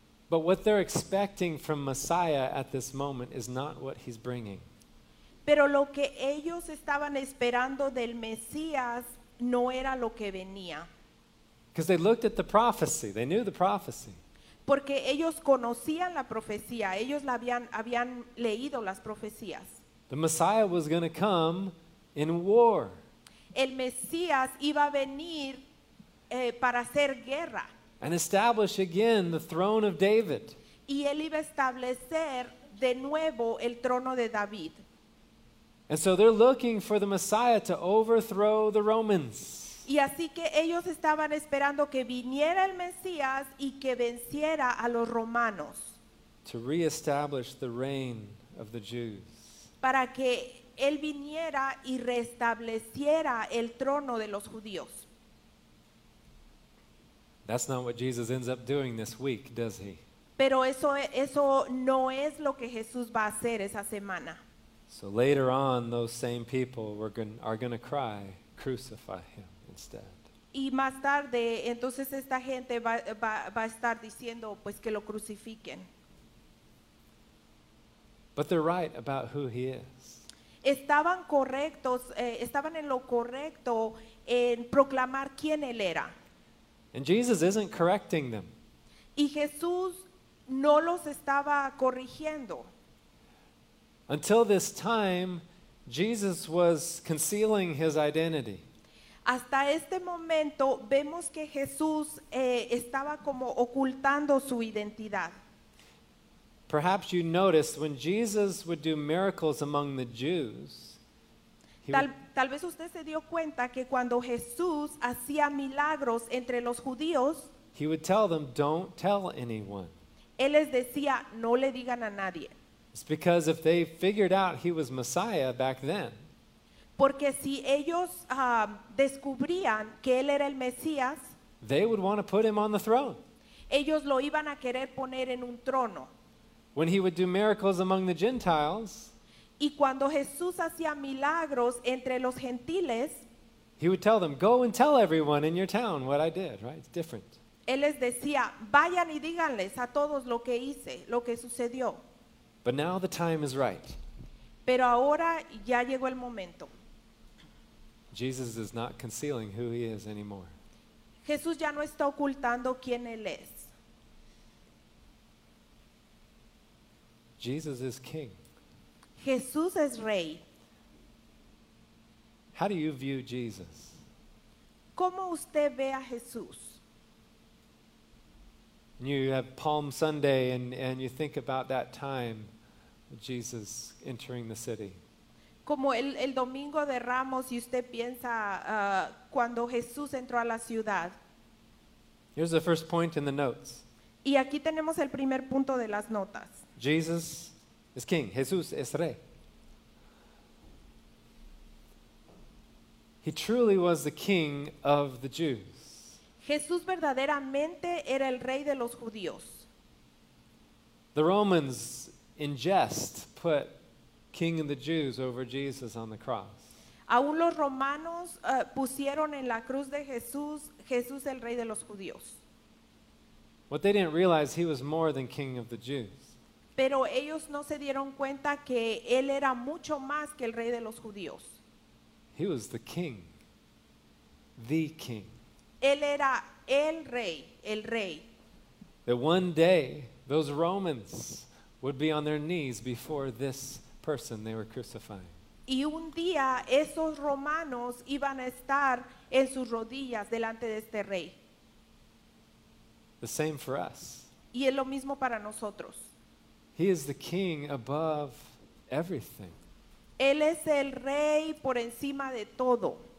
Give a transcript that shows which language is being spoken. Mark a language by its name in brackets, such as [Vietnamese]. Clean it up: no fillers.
[English] But what they're expecting from Messiah at this moment is not what he's bringing. [Spanish] Pero lo que ellos estaban esperando del Mesías no era lo que venía. [English] Because they looked at the prophecy. They knew the prophecy. [Spanish] Porque ellos conocían la profecía. Ellos la habían leído las profecías. [English] The Messiah was going to come in war. [Spanish] El Mesías iba a venir para hacer guerra. [English] And establish again the throne of David. [Spanish] Y él iba a establecer de nuevo el trono de David. [English] And so they're looking for the Messiah to overthrow the Romans. [Spanish] Y así que ellos estaban esperando que viniera el Mesías y que venciera a los romanos. [English] To reestablish the reign of the Jews. [Spanish] Para que él viniera y restableciera el trono de los judíos. [English] That's not what Jesus ends up doing this week, does he? [Spanish] Pero eso no es lo que Jesús va a hacer esa semana. [English] So later on, those same people are going to cry, crucify him instead. [Spanish] Y más tarde, entonces esta gente va a estar diciendo, pues que lo crucifiquen. [English] But they're right about who he is. [Spanish] Estaban correctos, estaban en lo correcto en proclamar quién él era. [English] And Jesus isn't correcting them. [Spanish] Y Jesús no los estaba corrigiendo. [English] Until this time, Jesus was concealing his identity. [Spanish] Hasta este momento vemos que Jesús estaba como ocultando su identidad. [English] Perhaps you noticed when Jesus would do miracles among the Jews. [Spanish] Tal vez usted se dio cuenta que cuando Jesús hacía milagros entre los judíos, [English] he would tell them, "Don't tell anyone." [Spanish] Él les decía, "No le digan a nadie." [English] It's because if they figured out he was Messiah back then. [Spanish] Porque si ellos descubrían que él era el Mesías, [English] they would want to put him on the throne. [Spanish] Ellos lo iban a querer poner en un trono. [English] When he would do miracles among the Gentiles, [Spanish] y cuando Jesús hacía milagros entre los gentiles, [English] he would tell them, "Go and tell everyone in your town what I did." Right? It's different. [Spanish] Él les decía, "Vayan y díganles a todos lo que hice, lo que sucedió." [English] But now the time is right. [Spanish] Pero ahora ya llegó el momento. [English] Jesus is not concealing who he is anymore. [Spanish] Jesús ya no está ocultando quién él es. [English] Jesus is king. [Spanish] Jesús es rey. [English] How do you view Jesus? [Spanish] ¿Cómo usted ve a Jesús? [English] You have Palm Sunday and you think about that time of Jesus entering the city. [Spanish] Como el domingo de Ramos y usted piensa cuando Jesús entró a la ciudad. [English] Here's the first point in the notes. [Spanish] Y aquí tenemos el primer punto de las notas. [English] Jesus is king. [Spanish] Jesús es rey. [English] He truly was the king of the Jews. [Spanish] Jesús verdaderamente era el rey de los judíos. [English] The Romans in jest put king of the Jews over Jesus on the cross. [Spanish] Aún los romanos pusieron en la cruz de Jesús, Jesús el rey de los judíos. [English] What they didn't realize, he was more than king of the Jews. [Spanish] Pero ellos no se dieron cuenta que él era mucho más que el rey de los judíos. [English] He was the king. the king. [Spanish] Él era el rey, el rey. [English] That one day those Romans would be on their knees before this person they were crucifying. [Spanish] Y un día esos romanos iban a estar en sus rodillas delante de este rey. [English] The same for us. [Spanish] Y es lo mismo para nosotros. [English] He is the king above everything. [Spanish] Él es el rey por encima de todo.